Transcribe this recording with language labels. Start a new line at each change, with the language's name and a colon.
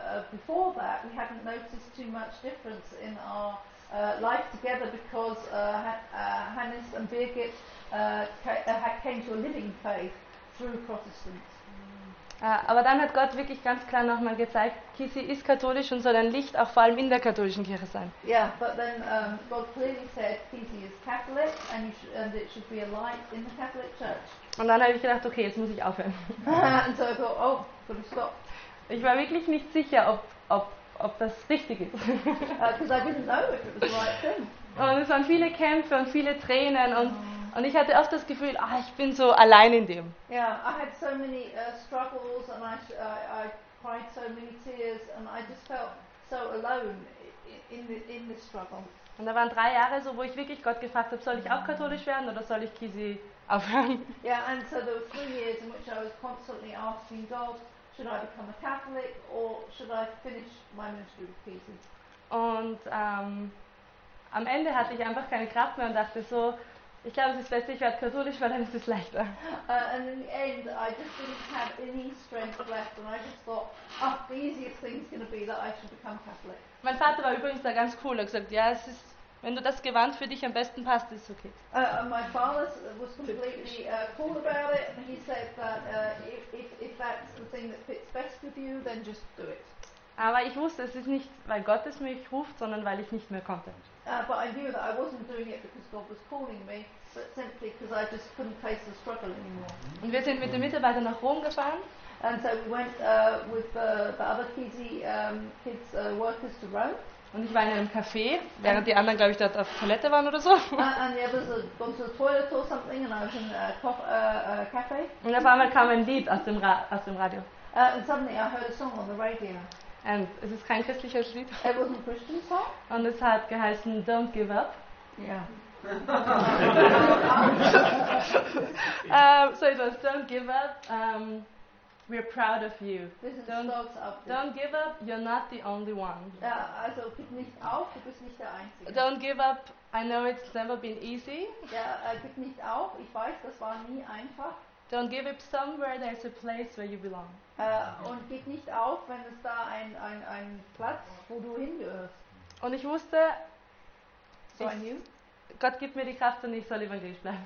English: Before that we hadn't noticed too much difference in our life together because Hannes and Birgit had came to a living faith through Protestants.
German: Aber dann hat Gott wirklich ganz klar nochmal gezeigt, Kisi ist katholisch und soll ein Licht auch vor allem in der katholischen Kirche sein.
English: Yeah, but then God clearly said Kisi is Catholic and, and it should be a light in the Catholic Church.
German: Und dann habe ich gedacht, okay, jetzt muss ich aufhören.
English: And so I thought, oh, gotta stop.
German: Ich war wirklich nicht sicher, ob das richtig ist.
English: Because I didn't know if it was the right thing.
German: Und es waren viele Kämpfe und viele Tränen und und ich hatte oft das Gefühl, ah, ich bin so allein in dem.
English: Yeah, I had so many struggles and I cried so many tears and I just felt so alone in the struggle.
German: Und da waren 3 Jahre so, wo ich wirklich Gott gefragt habe, soll ich auch katholisch werden oder soll ich Kisi aufhören?
English: Yeah, and so there were 3 years in which I was constantly asking God, should I become a Catholic or should I finish my ministry with Kisi?
German: Und am Ende hatte ich einfach keine Kraft mehr und dachte so, ich glaube, es ist besser, ich werde katholisch, weil dann ist es leichter.
English: And in the end, I just didn't have any strength left, and I just thought, oh, the easiest thing is going to be that I should become Catholic.
German: Mein Vater war übrigens da ganz cool. Er hat gesagt, ja, es ist, wenn du das Gewand für dich am besten passt, ist okay.
English: My father was completely cool about it, and he said that if that's the thing that fits best with you, then just do it.
German: Aber ich wusste, es ist nicht, weil Gott es mich ruft, sondern weil ich nicht mehr konnte.
English: But I knew that I wasn't doing it because God was calling me, but simply because I just couldn't face the struggle anymore.
German: Und wir sind mit den Mitarbeitern nach Rom gefahren.
English: And so we went with the other Kisi kids workers to Rome.
German: Und ich war in einem Café, während die anderen, glaube ich, dort auf Toilette waren oder so.
English: And the others had gone to the toilet or something, and I was in a cafe.
German: Und auf einmal kam ein Lied aus dem Radio.
English: And suddenly I heard a song on the radio.
German: Und es ist kein christliches Lied.
English: It was a Christian song.
German: Und es hat geheißen Don't Give Up.
English: Yeah. so it was Don't Give Up. We're proud of you. This is Don't give up. You're not the only one.
German: Yeah, also gib nicht auf. Du bist nicht der Einzige.
English: Don't give up. I know it's never been easy.
German: Yeah, gib nicht auf. Ich weiß, das war nie einfach.
English: Don't give up somewhere, there's a place where you belong.
German: Und gib nicht auf, wenn es da ein Platz, wo du hingehörst. Und ich wusste,
English: so I knew.
German: Gott gibt mir die Kraft und ich soll evangelisch bleiben.